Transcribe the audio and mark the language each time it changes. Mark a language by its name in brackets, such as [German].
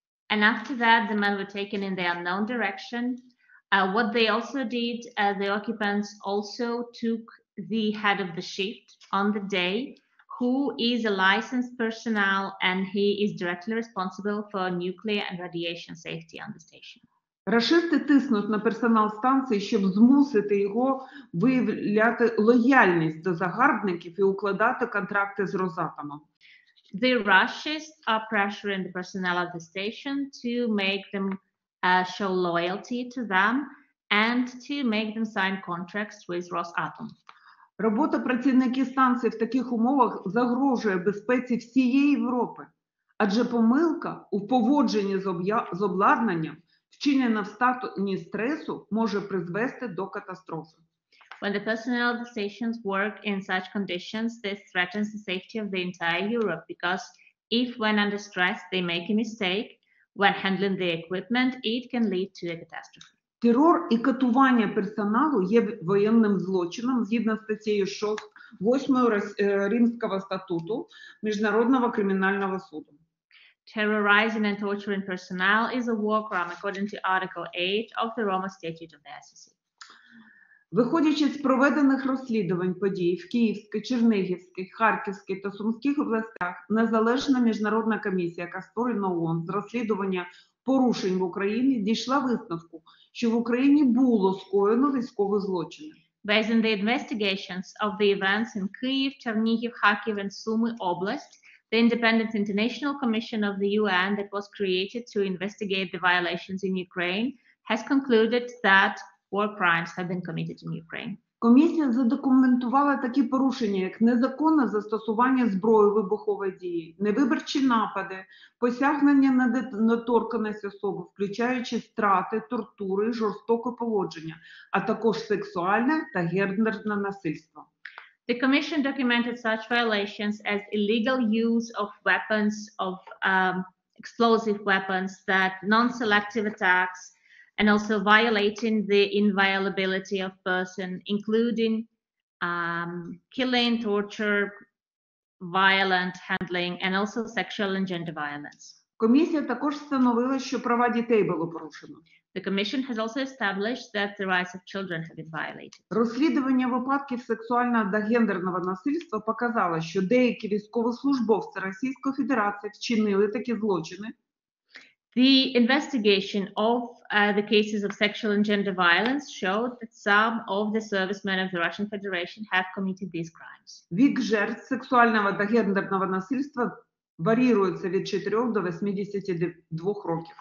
[English] And after that, the men were taken in the unknown direction. What they also did, the occupants also took the head of the shift on the day, who is a licensed personnel, and he is directly responsible for nuclear and radiation safety on the station. [Ukrainian] Рашисти тиснуть на персонал станції, щоб змусити його виявляти лояльність до загарбників і укладати контракти з Росатомом. [English] The Russians are pressuring the personnel of the station to make them show loyalty to them and to make them sign contracts with Rosatom. [Ukrainian] Робота працівників станції в таких умовах загрожує безпеці всієї Європи, адже помилка у поводженні з обладнанням, вчинена в стані стресу, може призвести до катастрофи. [English] When the personnel of the stations work in such conditions, this threatens the safety of the entire Europe, because if when under stress they make a mistake when handling the equipment, it can lead to a catastrophe. [Ukrainian] Терор і катування персоналу є воєнним злочином згідно статтею 8 Римського статуту Міжнародного кримінального суду. [English] Terrorizing and torturing personnel is a war crime according to Article 8 of the Roma Statute of the ICC. [Ukrainian] Виходячи з проведених розслідувань подій в Київській, Чернігівській, Харківській та Сумській областях, незалежна міжнародна комісія, яка створена ООН з розслідування порушень в Україні, дійшла висновку, що в Україні було скоєно військове злочини. [English] Based on the investigations of the events in Kyiv, Chernihiv, Kharkiv and Sumy oblast, the Independent International Commission of the UN that was created to investigate the violations in Ukraine has concluded that war crimes have been committed in Ukraine. [Ukrainian] Комісія задокументувала такі порушення, як незаконне застосування зброї вибухової дії, невиборчі напади, посягнення на недоторканність особи, включаючи страти, тортури, жорстоке поводження, а також сексуальне та гендерне насильство. [English] The commission documented such violations as illegal use of weapons, of explosive weapons, that non-selective attacks, and also violating the inviolability of person, including killing, torture, violent handling, and also sexual and gender violence. [Ukrainian] Комісія також встановила, що права дітей було порушено. [English] The commission has also established that the rights of children have been violated. [Ukrainian] Розслідування випадків сексуального та гендерного насильства показало, що деякі військовослужбовці Російської Федерації вчинили такі злочини. [English] The investigation of the cases of sexual and gender violence showed that some of the servicemen of the Russian Federation have committed these crimes. [Ukrainian] Вік жертв сексуального та гендерного насильства варіюється від 4 до 82 років.